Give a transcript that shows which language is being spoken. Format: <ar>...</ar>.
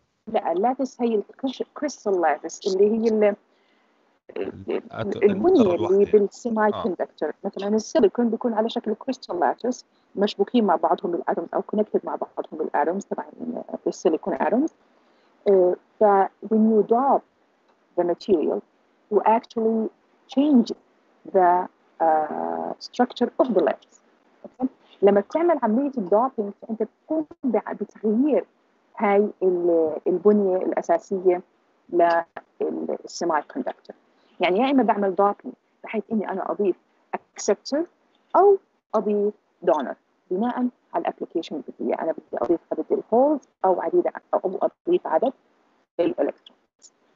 <ar>لا لاتس هي الكريستال لاتس اللي هي البنية اللي بالسيماي كوندكتور. مثلا السيليكون بيكون على شكل كريستال لاتس مشبوكين مع بعضهم الاتومز او كونكتد مع بعضهم الاتومز تبع السيليكون اتومز. ف</ar> <en>when you drop the material to actually change the structure of the lattice.</en> <ar>لما بتعمل عملية الدوبينج فأنت بتقوم بتغيير هاي البنية الأساسية للسيمي كوندكتور. يعني يا إما بعمل دوبينج بحيث إني أنا أضيف أكسبتر أو أضيف دونر بناء على الأبليكيشن اللي بدي أنا بدي أضيف عدد الهولز أو عديد أو أضيف عدد الإلكترونز.</ar>